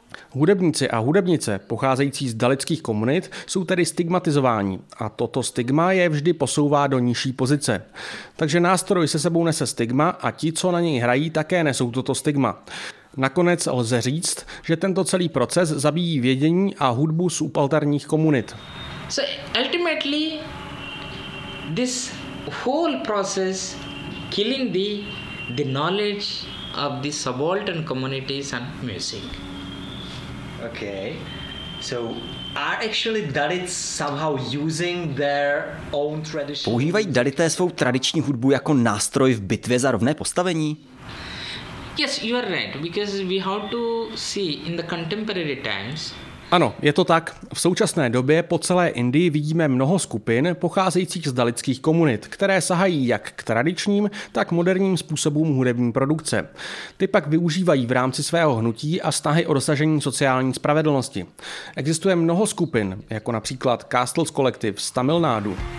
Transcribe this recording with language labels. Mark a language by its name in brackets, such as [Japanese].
[Czech] Hudebníci a hudebnice pocházející z dalitských komunit jsou tedy stigmatizováni a toto stigma je vždy posouvá do nižší pozice. Takže nástroj se sebou nese stigma a ti, co na něj hrají, také nesou toto stigma. Nakonec lze říct, že tento celý proces zabíjí vědění a hudbu subalterních komunit. [English] So ultimately this whole process killing the knowledge of the subaltern communities and music. Okay. So are actually Dalits somehow using their own tradition? [Czech] Používají Dalité svou tradiční hudbu jako nástroj v bitvě za rovné postavení? [English] Yes, you are right, because we have to see in the contemporary times. [Czech] Ano, je to tak. V současné době po celé Indii vidíme mnoho skupin pocházejících z dalitských komunit, které sahají jak k tradičním, tak moderním způsobům hudební produkce. Ty pak využívají v rámci svého hnutí a snahy o dosažení sociální spravedlnosti. Existuje mnoho skupin, jako například Castles Collective z Tamil Nadu.